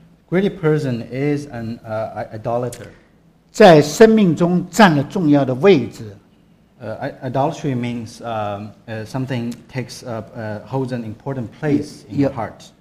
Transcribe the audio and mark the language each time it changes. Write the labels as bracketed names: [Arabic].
[English] greedy person is an idolater. [Chinese] 在生命中占了重要的位置。 [English] Idolatry means something takes holds an important place in your heart.